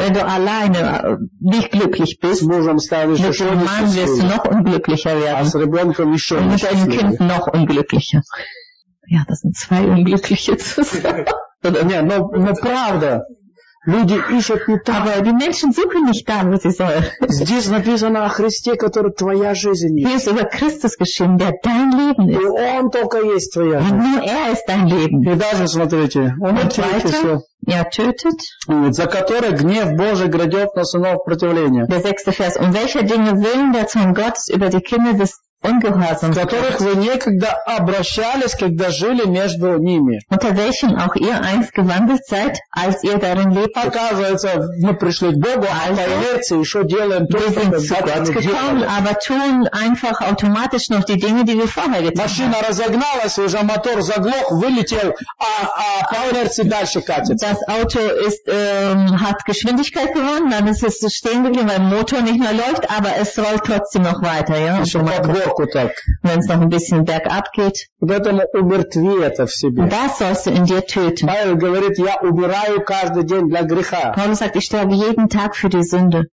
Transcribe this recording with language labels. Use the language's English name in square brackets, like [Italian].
[German] Wenn du alleine nicht glücklich bist. [Russian] С мужем станешь еще несчастливым. [German] Mit einem Mann wirst du noch unglücklicher werden. [Russian] А с ребенком еще [German] Und mit einem Kind noch unglücklicher. Ja, das sind zwei Unglückliche zusammen. [Russian] Не, но правда. Люди ищут не так. [German] Aber die Menschen suchen nicht da, wo sie sollen. [Russian] Здесь написано о Христе, который твоя жизнь есть. [German] Hier ist über Christus geschrieben, der dein Leben ist. [Russian] И он только есть твоя жизнь. [German] Nur er ist dein Leben. [Russian] И даже смотрите, он [German] тötet. [Russian] За которое гнев Божий грядет на сынов противления. [German] Der sechste Vers. Um welcher Dinge willen der Zorn Gottes über die Kinder des [Russian] которых вы некогда обращались, когда жили между ними. [German] Unter welchen auch ihr einst gewandelt seid, als ihr darin lebt. [Russian] Оказывается, мы пришли к Богу, а поверьте, еще делаем то, что мы [German] aber tun einfach automatisch noch die Dinge, die wir vorher getan haben. [Russian] Машина разогналась, уже мотор заглох, вылетел, а по инерции дальше катит. [German] Das Auto ist, hat Geschwindigkeit gewonnen, dann ist es stehen geblieben, weil der Motor nicht mehr läuft, aber es rollt trotzdem noch weiter. Ja? Wenn es noch ein bisschen bergab geht. Das sollst du in dir töten. Paulus sagt, ich sterbe jeden Tag für die Sünde.